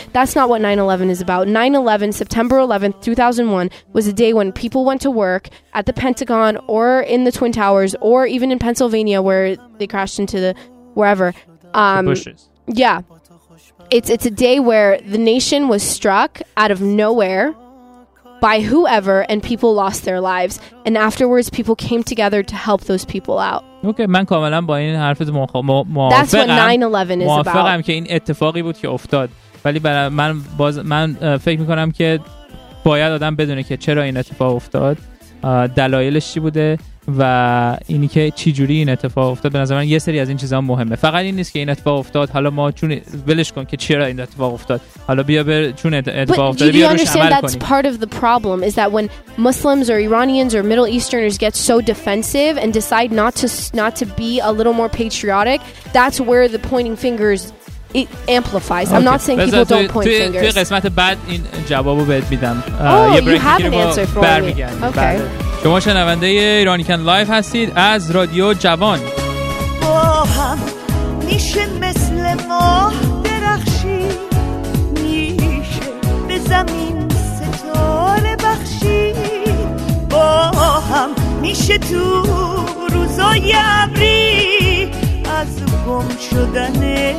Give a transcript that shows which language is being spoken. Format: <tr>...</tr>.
<en>That's not what 9/11 is about. 9/11, September 11th, 2001, was a day when people went to work at the Pentagon or in the Twin Towers or even in Pennsylvania where they crashed into the wherever. The bushes. Yeah, it's a day where the nation was struck out of nowhere by whoever, and people lost their lives. And afterwards, people came together to help those people out.</en> <fa>Okay, من کاملا با این حرفت موافقم.</fa> <en>That's what 9/11 is about.</en> <fa>موافقم که این اتفاقی بود که افتاد. ولی برای من باز من فکر میکنم که باید آدم بدونه که چرا این اتفاق افتاد. دلایلش چی بوده؟ و اینی که چی جوری این اتفاق افتاد، به نظر من یه سری از این چیزها مهمه. فقط این نیست که این اتفاق افتاد حالا ما چون ولش کن که چرا این اتفاق افتاد، حالا بیا بر چون اتفاق افتاد بیا روش عمل کنیم.</fa> <en>But do you understand that's part of the problem is that when Muslims or Iranians or Middle Easterners get so defensive and decide not to be a little more patriotic, that's where the pointing fingers it amplifies. Okay. I'm not saying people don't point fingers.</en> <fa>توی قسمت بعد این جوابو بهت میدم.</fa> <en>You have an answer for me. Okay.</en> <fa>شما شنونده ایرانیکن لایف هستید از رادیو جوان. با هم میشه مثل ماه درخشی، میشه به زمین ستاره بخشی، با هم میشه تو روزای ابری از گم شدن</fa>